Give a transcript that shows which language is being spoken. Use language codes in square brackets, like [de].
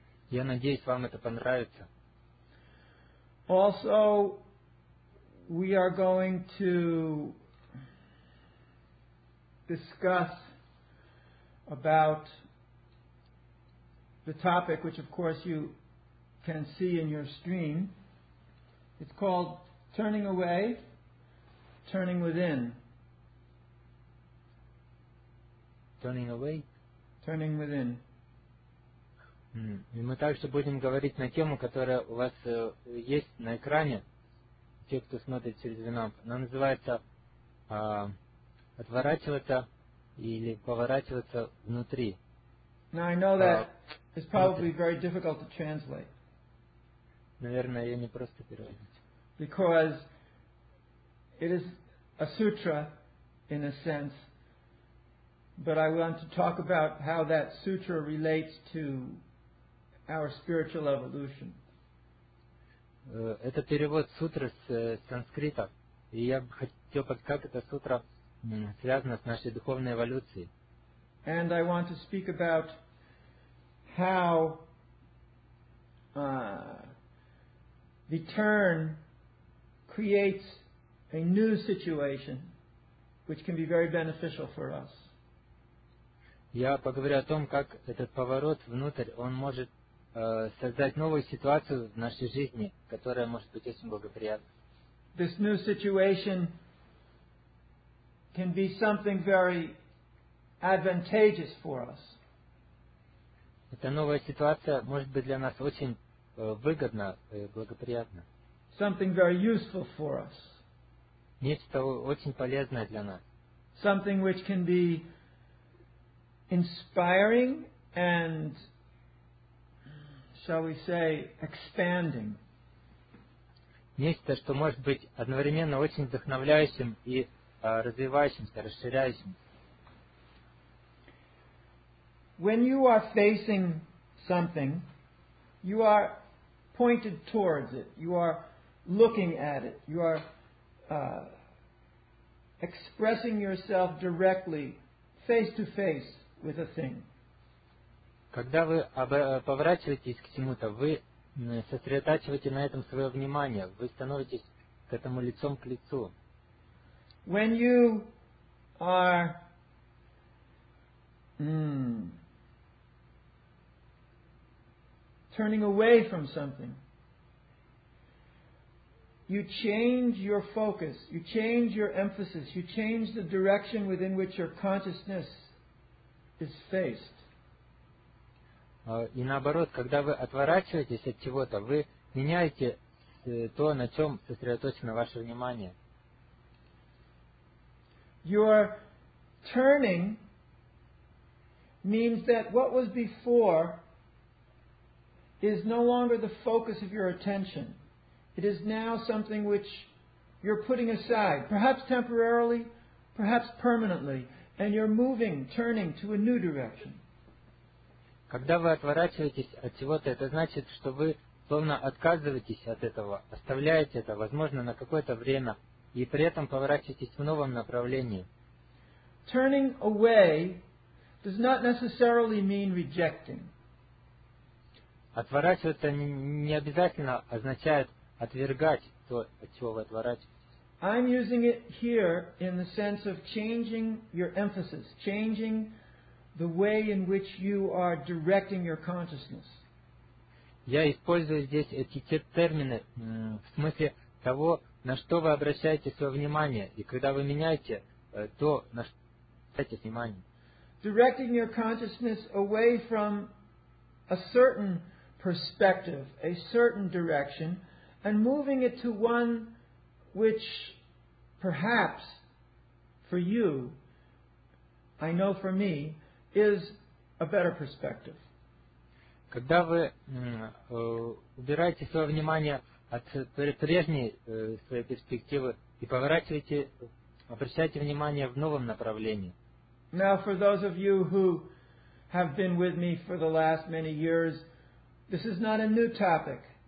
[ru] Я надеюсь, вам это понравится. [en] Also, we are going to discuss about the topic, which of course you can see in your screen. It's called Turning Away, Turning Within. Turning away? Turning within. [ru] И мы также будем говорить на тему, которая у вас есть на экране, те, кто смотрит через Винамп. Она называется «Отворачиваться или поворачиваться внутри». [en] Now I know that is probably very difficult to translate. [ru] Наверное, ее не просто переводить. [en] Because it is a sutra, in a sense, but I want to talk about how that sutra relates to our spiritual evolution. [ru] Это перевод сутры с санскрита, и я бы хотел подсказать, как эта сутра связана с нашей духовной эволюцией. [en] And I want to speak about how the turn creates a new situation which can be very beneficial for us. [ru] Я поговорю о том, как этот поворот внутрь, он может создать новую ситуацию в нашей жизни, которая может быть очень благоприятна. [en] This new situation can be something very advantageous for us. [ru] Эта новая ситуация может быть для нас очень выгодна и благоприятна. [en] Something very useful for us. [ru] Нечто очень полезное для нас. [en] Something which can be inspiring and, shall we say, expanding. [ru] Нечто, что может быть одновременно очень вдохновляющим и развивающимся, расширяющим. [en] When you are facing something, you are pointed towards it. You are looking at it. You are expressing yourself directly, face to face with a thing. [ru] Когда вы поворачиваетесь к чему-то, вы сосредотачиваете на этом свое внимание, вы становитесь к этому лицом к лицу. [en] When you are turning away from something, you change your focus, you change your emphasis, you change the direction within which your consciousness is faced. [ru] И наоборот, когда вы отворачиваетесь от чего-то, вы меняете то, на чем сосредоточено ваше внимание. [en] Your turning means that what was before is no longer the focus of your attention. It is now something which you're putting aside, perhaps temporarily, perhaps permanently. And you're moving, turning to a new direction. [ru] Когда вы отворачиваетесь от чего-то, это значит, что вы словно отказываетесь от этого, оставляете это, возможно, на какое-то время, и при этом поворачиваетесь в новом направлении. [en] Turning away does not necessarily mean rejecting. [ru] Отворачиваться не обязательно означает отвергать то, от чего вы отворачиваетесь. [en] I'm using it here in the sense of changing your emphasis, changing the way in which you are directing your consciousness. [ru] Я использую здесь эти термины в смысле того, на что вы обращаете свое внимание, и когда вы меняете то, на что обращаете внимание. [en] Directing your consciousness away from a certain perspective, a certain direction, and moving it to one which perhaps for you, I know for me, is a better perspective. [ru] Когда вы убираете свое внимание от прежней своей перспективы и поворачиваете, обращаете внимание в новом направлении. [en] Now, for those of you who have been with me for the last many years, this is not a new topic.